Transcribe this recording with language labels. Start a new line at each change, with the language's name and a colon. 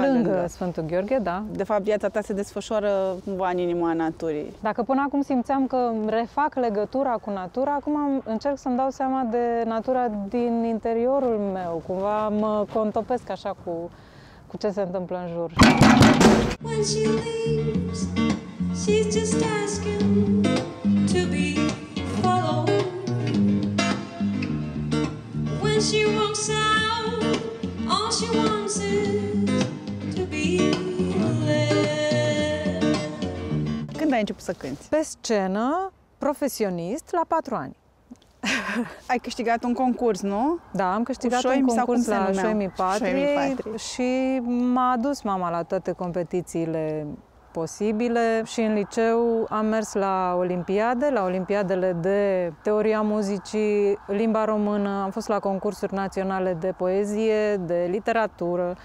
Romanian: lângă Sfântul Gheorghe, da. De fapt, viața ta se desfășoară cumva în inima naturii. Dacă până acum simțeam că refac legătura cu natura, acum încerc să-mi dau seama de natura din interiorul meu. Cumva mă contopesc așa cu ce se întâmplă în jur.
English: When she leaves, she's just asking to be followed. When she walks out, all she wants is to be led.
Romanian: Când ai început să cânti? Pe scenă, profesionist, la 4 ani. Ai câștigat un concurs, nu? Da, am câștigat un concurs la Șoimii Patriei și m-a adus mama la toate competițiile posibile și în liceu am mers la olimpiade, la olimpiadele de teoria muzicii, limba română, am fost la concursuri naționale de poezie, de literatură.